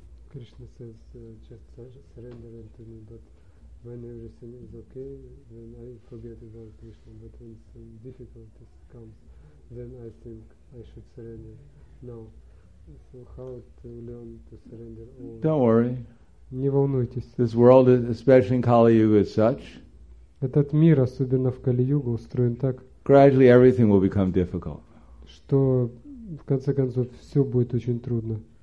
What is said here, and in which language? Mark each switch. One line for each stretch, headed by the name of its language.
English: Krishna says, just surrender to me, but when everything is okay, then I forget about Krishna. But when some difficulties come, then I think I should surrender now. So how to learn to surrender? Don't worry.
Russian: Не волнуйтесь.
English: This world, is, especially in Kali Yuga, is such.
Russian: Этот мир, особенно в Кали Юге, устроен так.
English: Gradually everything will become difficult.
Russian: Что, в конце концов, все будет очень трудно.